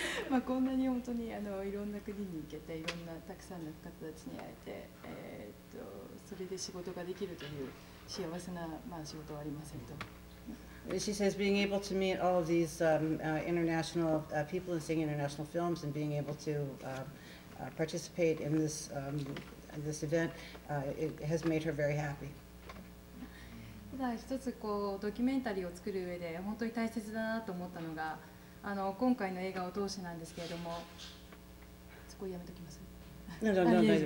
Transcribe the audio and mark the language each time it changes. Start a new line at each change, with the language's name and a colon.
Japanese: まあ、こんなに本当にあのいろんな国に行けて、いろんなたくさんの方たちに会えて、それで仕事ができるという幸せな、まあ、仕事はありませんと。
English: She says being able to meet all of these international people and seeing international films and being able to participate in this, this event it has made her very happy.
Japanese: ただ一つこうドキュメンタリーを作る上で本当に大切だなと思ったのがあの今回の映画を通してなんですけれどもそこをやめときます。